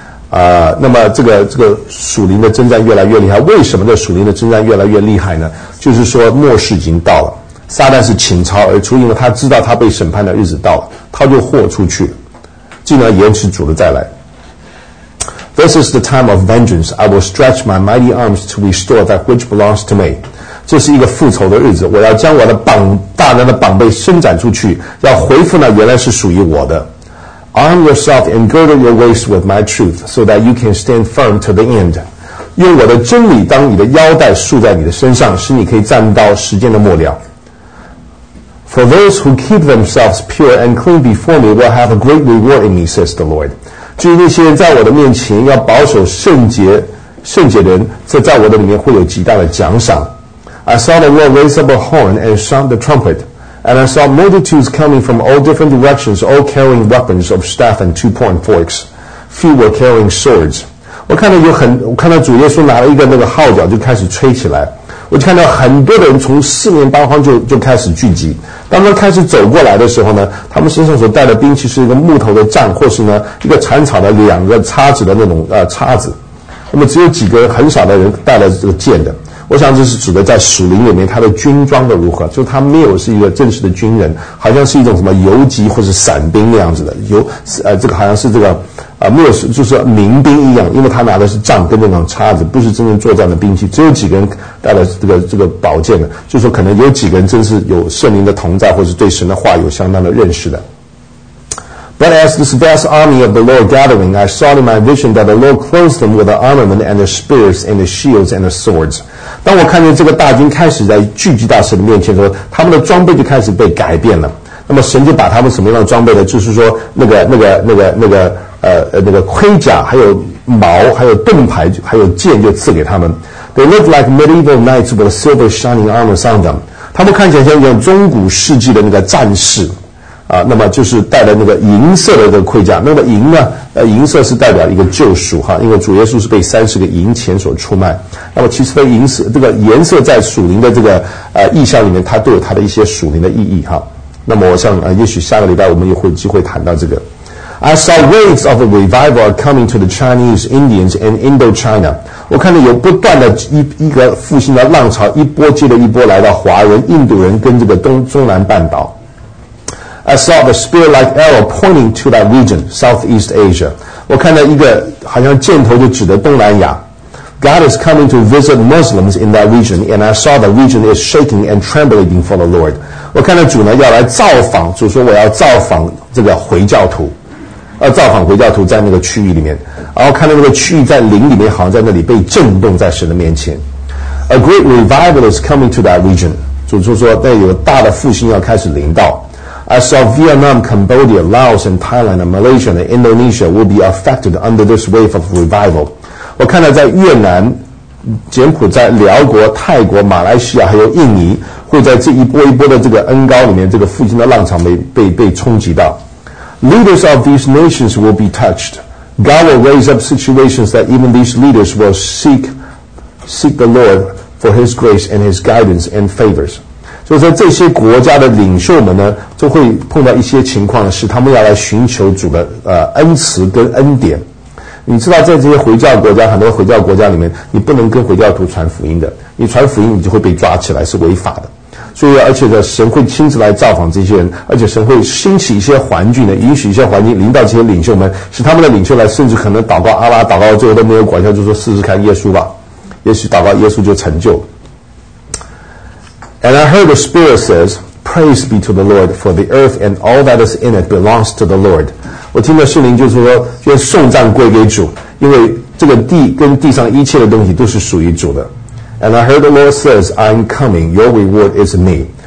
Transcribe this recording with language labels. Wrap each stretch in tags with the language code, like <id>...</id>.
<zh>那么这个属灵的征战越来越厉害，为什么这属灵的征战越来越厉害呢？就是说末世已经到了，撒旦是倾巢而出，因为他知道他被审判的日子到了，他就豁出去了，进而延迟主的再来。</zh> <en>This is the time of vengeance. I will stretch my mighty arms to restore that which belongs to me.</en> <zh>这是一个复仇的日子，我要将我的大量的膀臂伸展出去，要回复那原来是属于我的。</zh> <en>Arm yourself and girdle your waist with my truth, so that you can stand firm to the end.</en> <zh>用我的真理当你的腰带束在你的身上，使你可以站到时间的末了。</zh> <en>For those who keep themselves pure and clean before me will have a great reward in me, says the Lord.</en> <zh>至于那些在我的面前要保守圣洁的人，这在我的里面会有极大的奖赏。</zh> <en>I saw the Lord raise up a horn and sound the trumpet, and I saw multitudes coming from all different directions, all carrying weapons of staff and two-pronged forks. Few were carrying swords.</en> <zh>我看到主耶稣拿了一个那个号角就开始吹起来。我就看到很多的人从四面八方就开始聚集。当他开始走过来的时候呢，他们身上所带的兵器是一个木头的杖，或是呢一个铲草的两个叉子的那种叉子。那么只有几个很少的人带了这个剑的。我想这是指的在属灵里面他的军装的如何，就他没有是一个正式的军人，好像是一种什么游击或者散兵那样子的，游这个好像是这个没有就是民兵一样，因为他拿的是杖跟那种叉子，不是真正作战的兵器，只有几个人带了这个宝剑的，就是说可能有几个人真是有圣灵的同在，或是对神的话有相当的认识的。</zh> <en>But as this vast army of the Lord gathering, I saw in my vision that the Lord clothed them with the armament and the spears and the shields and the swords.</en> <zh>当我看见这个大军开始在聚集到神的面前的时候，他们的装备就开始被改变了。那么神就把他们什么样的装备呢？就是说那个盔甲，还有矛，还有盾牌，还有剑就赐给他们。</zh> <en>They look like medieval knights with silver shining armors on them.</en> <zh>他们看起来像一种中古世纪的那个战士。那么就是带了那个银色的这个盔甲，那么银呢，银色是代表一个救赎哈，因为主耶稣是被三十个银钱所出卖。那么其实的银色这个颜色在属灵的这个意象里面，它都有它的一些属灵的意义哈。那么我想也许下个礼拜我们也会有机会谈到这个。</zh> <en>I saw waves of a revival coming to the Chinese, Indians, and Indochina.</en> <zh>我看到有不断的一个复兴的浪潮，一波接着一波来到华人、印度人跟这个中南半岛。</zh> <en>I saw the spear-like arrow pointing to that region, Southeast Asia.</en> <zh>我看到一个好像箭头就指的东南亚。</zh> <en>God is coming to visit Muslims in that region, and I saw the region is shaking and trembling for the Lord.</en> <zh>我看到主呢要来造访，主说我要造访这个回教徒，造访回教徒在那个区域里面。然后看到那个区域在灵里面好像在那里被震动在神的面前。</zh> <en>A great revival is coming to that region.</en> <zh>主就说那有大的复兴要开始临到。</zh> <en>I saw Vietnam, Cambodia, Laos, and Thailand, and Malaysia, and Indonesia will be affected under this wave of revival.</en> <zh>我看到在越南、柬埔寨、寮国、泰国、马来西亚还有印尼，会在这一波一波的这个恩膏里面，这个复兴的浪潮被冲击到。</zh> <en>Leaders of these nations will be touched. God will raise up situations that even these leaders will seek the Lord for His grace and His guidance and favors.</en> <zh>就是说这些国家的领袖们呢，就会碰到一些情况，是他们要来寻求主的恩慈跟恩典。你知道在这些回教国家，很多回教国家里面，你不能跟回教徒传福音的，你传福音你就会被抓起来，是违法的。所以而且呢，神会亲自来造访这些人，而且神会兴起一些环境呢，允许一些环境临到这些领袖们，使他们的领袖来，甚至可能祷告阿拉，祷告最后都没有管效，就说试试看耶稣吧，也许祷告耶稣就成就。</zh> <en>And I heard the Spirit says, Praise be to the Lord, for the earth and all that is in it belongs to the Lord.</en> <zh>我听到圣灵就是说，愿颂赞归给主，因为这个地跟地上一切的东西都是属于主的。</zh> <en>And I heard the Lord says, I'm coming, your reward is me.</en>